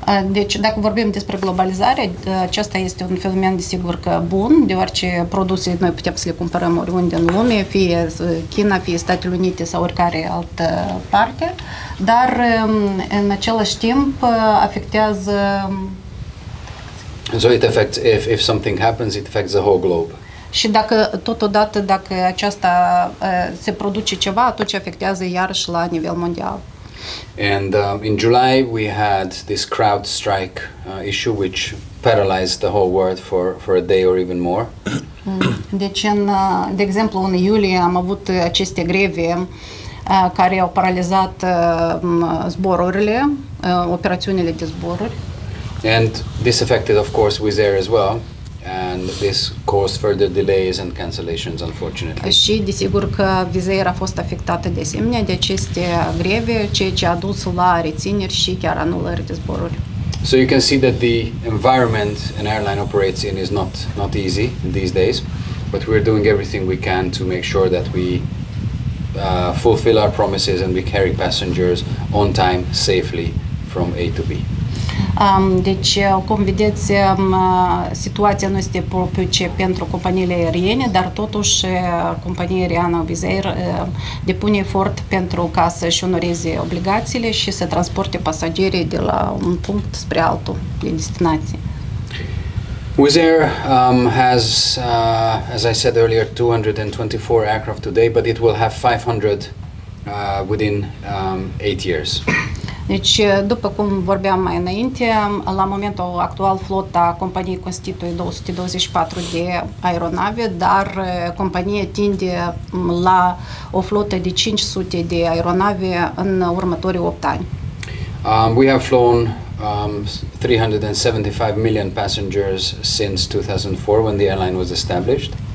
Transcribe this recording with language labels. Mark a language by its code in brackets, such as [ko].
[ro] Deci, dacă vorbim despre globalizare, acesta este un fenomen desigur că bun, deoarece produsele noi putem să le cumpărăm oriunde în lume, fie China, fie Statele Unite sau oricare altă parte, dar în același timp afectează... [en] So it affects, if something happens, it affects the whole globe. [ro] Și dacă totodată, dacă aceasta se produce ceva, atunci afectează iarăși la nivel mondial. [en] And in July we had this crowd strike issue which paralyzed the whole world for a day or even more. [ro] Deci, de exemplu, în iulie am avut aceste greve care au paralizat zborurile, operațiunile de zboruri. [en] And this affected, of course, Wizz Air as well. And this caused further delays and cancellations, unfortunately. [ro] Și desigur că Wizz Air a fost afectată de asemenea de aceste greve, ceea ce a dus la rețineri și chiar anulări de zboruri. [en] So you can see that the environment an airline operates in is not easy these days, but we're doing everything we can to make sure that we fulfill our promises and we carry passengers on time safely from A to B. [ro] Deci, cum vedeți, situația nu este propice pentru companiile aeriene, dar totuși compania aeriană Wizz Air depune efort pentru ca să-și onoreze obligațiile și să transporte pasagerii de la un punct spre altul de destinație. [en] Wizz Air has, as I said earlier, 224 aircraft today, but it will have 500 within 8 years. [ro] Deci, după cum vorbeam mai înainte, la momentul actual flota companiei constituie 224 de aeronave, dar compania tinde la o flotă de 500 de aeronave în următorii 8 ani. [en] We have flown 375 million passengers since 2004, when the airline was established.